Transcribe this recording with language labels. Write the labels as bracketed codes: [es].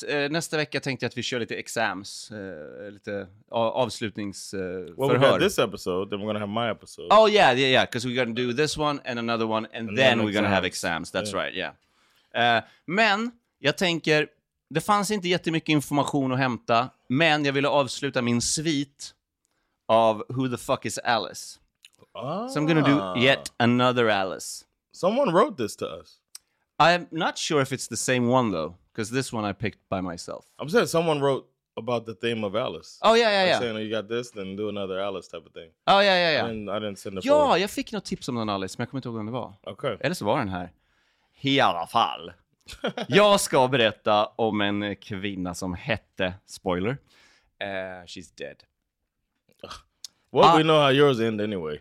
[sv] Nästa vecka tänkte jag att vi kör lite exams, lite avslutnings förhör. [en] Well, we got this episode, then we're gonna have my episode. Oh yeah, because we're gonna do this one and another one, and then we're gonna have exams. That's right, yeah. [sv] Men jag tänker, det fanns inte jättemycket information att hämta, men jag ville avsluta min svit av Who the Fuck is Alice? Ah. [en] So I'm gonna do yet another Alice. Someone wrote this to us. I'm not sure if it's the same one, though, because this one I picked by myself. I'm saying someone wrote about the theme of Alice. Oh, yeah. I'm saying, oh, you got this, then do another Alice type of thing. Oh, yeah. I didn't send the phone. [sv] Ja, jag fick något tips om någon Alice, men jag kommer inte ihåg vem det var. [en] Okay. [sv] Eller så var den här. I alla fall. Jag ska berätta om en kvinna som hette, [en] spoiler, she's dead. Well, we know how yours end anyway.